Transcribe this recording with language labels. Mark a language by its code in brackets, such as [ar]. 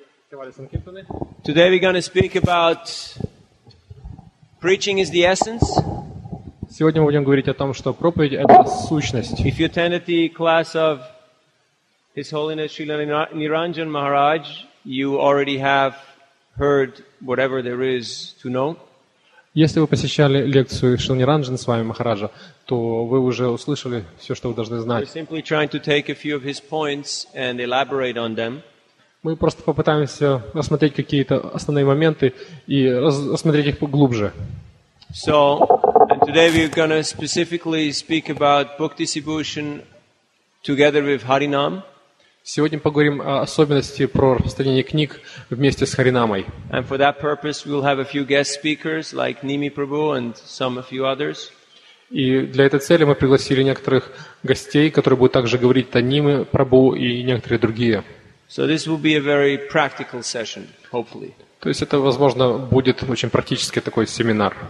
[en] Today we're going to speak about preaching is the essence. [ru] Сегодня мы будем говорить о том, что проповедь это сущность. [en] If you attended the class of His Holiness Srila Niranjan Maharaj, you already have heard whatever there is to know. [ru] Если вы посещали лекцию Шрила Ниранджан с вами Махараджа, то вы уже услышали все, что вы должны знать. Мы просто попытаемся рассмотреть какие-то основные моменты и рассмотреть их поглубже. [en] So, and today we're going to specifically speak about book distribution together with Harinam. [ru] Сегодня поговорим о особенности про распространение книг вместе с Харинамой. [en] And for that purpose, we'll have a few guest speakers like Nimi Prabhu and some a few others. [ru] И для этой цели мы пригласили некоторых гостей, которые будут также говорить о Ними Прабу и некоторые другие. [en] So this will be a very practical session, hopefully. [ru] То есть это, возможно, будет очень практический такой семинар.